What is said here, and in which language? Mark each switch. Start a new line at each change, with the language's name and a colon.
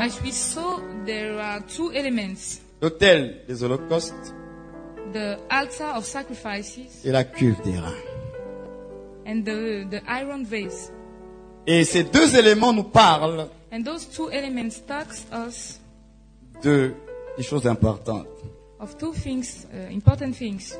English: As we saw, there are two elements.
French: L'autel des holocaustes,
English: the altar of sacrifices,
French: et la cuve d'airain.
English: And the iron vase.
French: Et ces deux éléments nous parlent
English: and those two elements talks us
French: des choses importantes.
English: Of two things, important things.